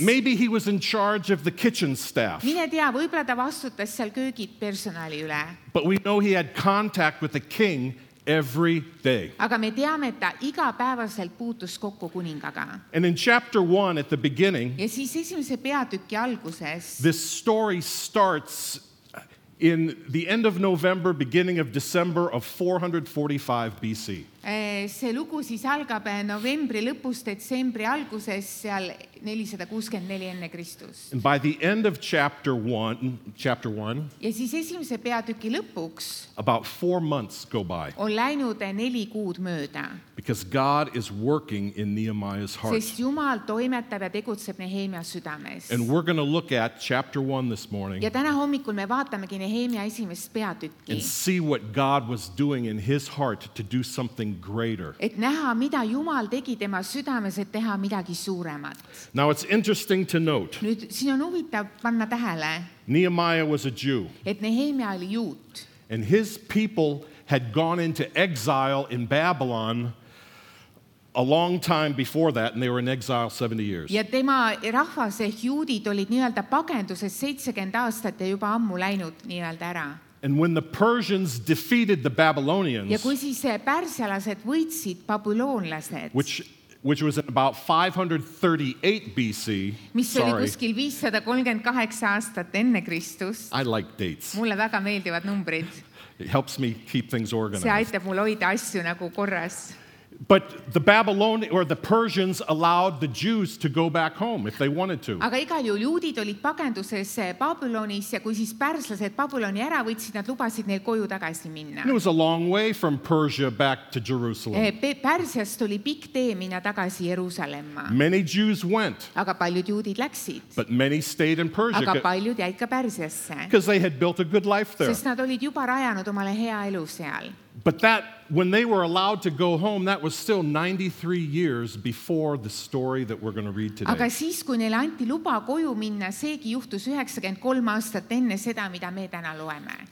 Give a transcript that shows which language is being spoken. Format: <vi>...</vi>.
<en>Maybe he was in charge of the kitchen staff.</en> <et>Mine tea, võib-olla ta vastutas seal köögipersonali üle.</et> <en>But we know he had contact with the king every day.</en> <et>Aga me teame, et ta igapäevaselt puutus kokku kuningaga.</et> <en>And in chapter 1 at the beginning,</en> <et>ja siis esimese peatüki alguses,</et> <en>this story starts in the end of November, beginning of December of 445 BC.</en> <et>See lugu siis algab novembri lõpus, detsembri alguses seal 464 enne Kristus.</et> <en>And by the end of chapter one,</en> <et>ja siis esimese peatüki lõpuks,</et> <en>about 4 months go by.</en> <et>On läinud 4 kuud mööda.</et> <en>Because God is working in Nehemiah's heart.</en> <et>Sest Jumal toimetab ja tegutseb Nehemia südames.</et> <en>And we're going to look at chapter 1 this morning.</en> <et>Ja täna hommikul me vaatamegi Nehemia esimest peatükki.</et> <en>And see what God was doing in his heart to do something greater.</en> <et>Et näha, mida Jumal tegi tema südames, et teha midagi suuremat.</et> <en>Now it's interesting to note.</en> <et>Nüüd siin on huvitav panna tähele.</et> <en>Nehemiah was a Jew.</en> <et>Et Nehemia oli juut.</et> <en>And his people had gone into exile in Babylon a long time before that, and they were in exile 70 years.</en> <et>Ja tema rahvas ehk juudid olid nii-öelda pagenduses 70 aastat ja juba ammu läinud nii-öelda ära.</et> <en>And when the Persians defeated the Babylonians,</en> <et>ja kui siis pärsialased võitsid babyloonlased,</et> <en>which was in about 538 BC,</en> <et>mis sorry, oli kuskil 538 aastat enne Kristust,</et> <en>I like dates.</en> <et>Mulle väga meeldivad numbrid.</et> <en>It helps me keep things organized.</en> <et>See aitab mul hoida asju nagu korras.</et> <en>But the Babylonians or the Persians allowed the Jews to go back home if they wanted to.</en> <et>Aga igal juhul juudid olid pagenduses Babylonis ja kui siis pärslased Babyloni ära võtsid, nad lubasid neil koju tagasi minna.</et> <en>It was a long way from Persia back to Jerusalem.</en> <et>Pärsiast oli pikk tee minna tagasi Jerusalemma.</et> <en>Many Jews went.</en> <et>Aga paljud juudid läksid.</et> <en>But many stayed in Persia.</en> <et>Aga paljud jäid ka Pärsiasse.</et> <en>Because they had built a good life there.</en> <et>Sest nad olid juba rajanud omale hea elu seal.</et> <en>But that, when they were allowed to go home, that was still 93 years before the story that we're going to read today.</en> <et>Aga siis, kui neile anti luba koju minna, seegi juhtus 93 aastat enne seda, mida me täna loeme.</et>